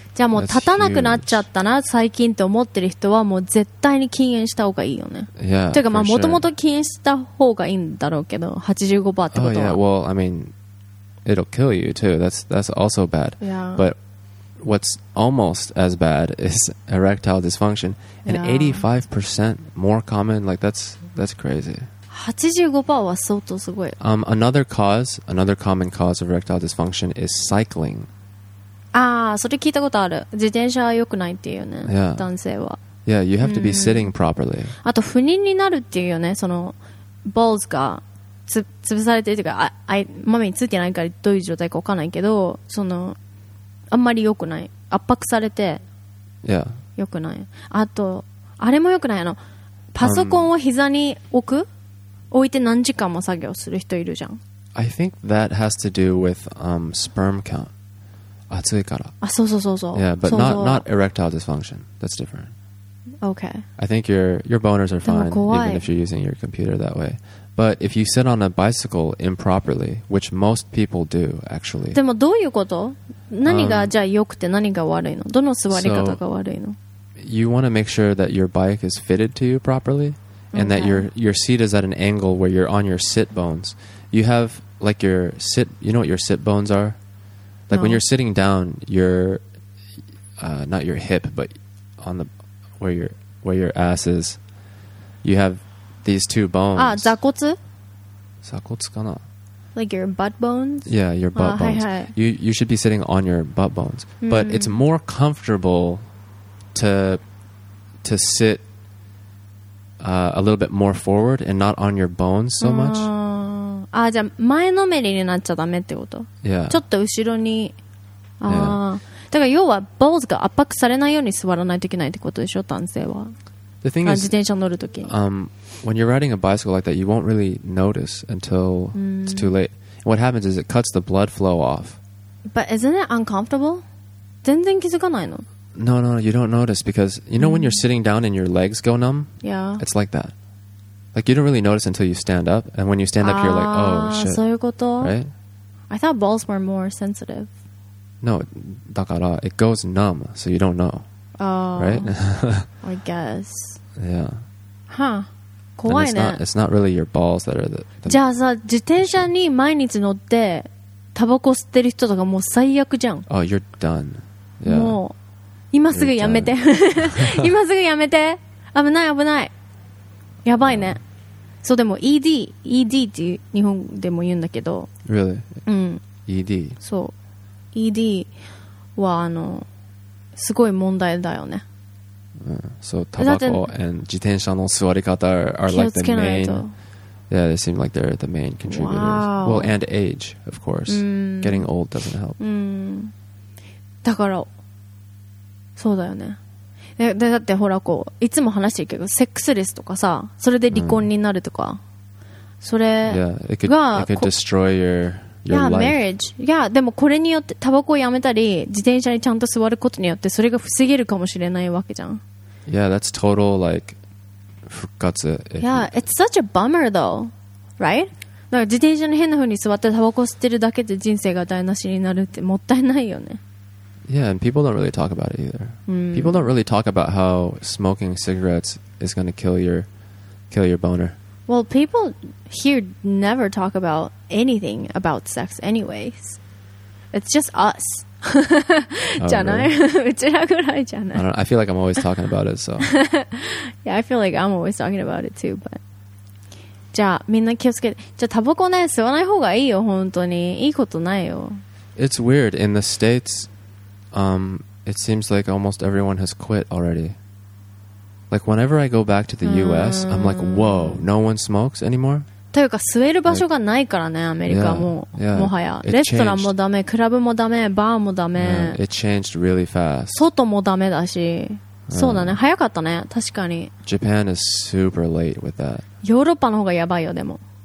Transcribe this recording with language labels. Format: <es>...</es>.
<ja>じゃあもう立たなくなっちゃったな最近と思ってる人はもう絶対に禁煙した方がいいよね。</ja> <en>Yeah,</en> <ja>というかまあもともと禁煙した方がいいんだろうけど 85% ってことは。</ja> <en>Oh yeah, well, I mean, it'll kill you too. That's also bad. Yeah. But what's almost as bad is erectile dysfunction. And yeah. 85% more common, like that's crazy.</en> <ja>85% は相当すごい。</ja> <en>Another common cause of erectile dysfunction is cycling.</en> <ja>Ah, それ聞いたことある。自転車は良くないっていうね。</ja> <en>Yeah.</en> <ja>男性は。</ja> <en>Yeah, you have to be sitting properly.</en> <ja>あと不妊になるっていうよね。その balls が潰されてるというか、マミについてないからどういう状態か分かんないけど、そのあんまり良くない。圧迫されて、</ja> <en>yeah.</en> <ja>良くない。あとあれも良くない、あのパソコンを膝に置く。置いて何時間も作業する人いるじゃん。</ja> <en>I think that has to do with sperm count.</en> <ja>暑いから。あ、そうそうそうそう。</ja> <en>Yeah, but</en> <ja>そうそう</ja> <en>not erectile dysfunction. That's different. Okay. I think your boners are fine even if you're using your computer that way. But if you sit on a bicycle improperly, which most people do actually.</en> <ja>でもどういうこと？何がじゃあ良くて何が悪いの？どの座り方が悪いの？</ja> <en>So, you want to make sure that your bike is fitted to you properly. And that your seat is at an angle where you're on your sit bones. You have like your sit. You know what your sit bones are? Like no. When you're sitting down, your not your hip, but on the where your ass is. You have these two bones.</en> <ja>Ah, 座骨? 座骨かな?</ja> <en>Like your butt bones? Yeah, your butt bones.</en> <ja>はいはい.</ja> <en>You should be sitting on your butt bones. Mm. But it's more comfortable to sit. A little bit more forward and not on your bones so much.</en> <ja>ああ、じゃあ前のめりになっちゃダメってこと。</ja> <en>Yeah.</en> <ja>ちょっと後ろに。ああ。Yeah. だから要は balls が圧迫されないように座らないといけないってことでしょ、男性は。</ja> <en>The thing is,</en> <ja>自転車乗るとき。</ja> <en>When you're riding a bicycle like that, you won't really notice until it's too late. What happens is it cuts the blood flow off. But isn't it uncomfortable?</en> <ja>全然気づかないの。</ja> <en>No, you don't notice because you know when you're sitting down and your legs go numb? Yeah. It's like that. Like you don't really notice until you stand up, and when you stand up you're like, oh shit.</en> <ja>そういうこと?</ja> <en>Right? I thought balls were more sensitive. No,</en> <ja>だから</ja> <en>it goes numb, so you don't know. Right? I guess. Yeah.</en> <ja>Huh. 怖いね。</ja> <en>And it's not really your balls that are the</en> <ja>じゃあさ、自転車に毎日乗ってタバコ吸ってる人とかもう最悪じゃん。</ja> <en>Oh, you're done. Yeah.</en> <ja>もう今すぐやめて今すぐやめて危ない危ないやばいね、そうでも ED って日本でも言うんだけど</ja> <en>Really?</en> <ja>うん</ja> <en>ED?</en> <ja>そう ED はすごい問題だよね、そうタバコ</ja> <en>and</en> <ja>自転車の座り方</ja> <en>are like the main Yeah, they seem like they're the main contributors、 wow. Well, and age, of course、Getting old doesn't help、</en> <ja>だからそうだよね。でだってほらこういつも話してるけどセックスレスとかさ、それで離婚になるとか、それが</ja> <en>destroy your life. marriage.</en> <ja>Yeah, でもこれによってタバコをやめたり自転車にちゃんと座ることによってそれが防げるかもしれないわけじゃん。</ja> <en>Yeah, that's total like 復活。 Yeah, it's such a bummer though, right?</en> <ja>だから自転車の変な風に座ってタバコ吸ってるだけで人生が台無しになるってもったいないよね。</ja> <en>Yeah, and people don't really talk about it either. People don't really talk about how smoking cigarettes is going to kill your boner. Well, people here never talk about anything about sex anyways. It's just us.</en> <ja>じゃない? うちらぐらいじゃない?</ja> <en>I feel like I'm always talking about it, so. Yeah, I feel like I'm always talking about it too, but...</en> <ja>じゃあみんな気をつけて。じゃあタバコね吸わない方がいいよ本当に。いいことないよ。</ja> <en>It's weird. In the States, it seems like almost everyone has quit already. Like whenever I go back to the U.S., I'm like, whoa, no one smokes anymore.</en> <ja>というか吸える場所がないからね、</ja> <en>like,</en> <ja>アメリカも</ja> <en>yeah,</en> <ja>もはや。レストランもダメ、クラブもダメ、バーもダメ。</ja> <en>Yeah, it changed really fast.</en> <ja>外もダメだし。そうだね、早かったね、確かに。</ja> <en>Japan is super late with that.</en> <ja>ヨーロッパの方がやばいよ、でも。</ja>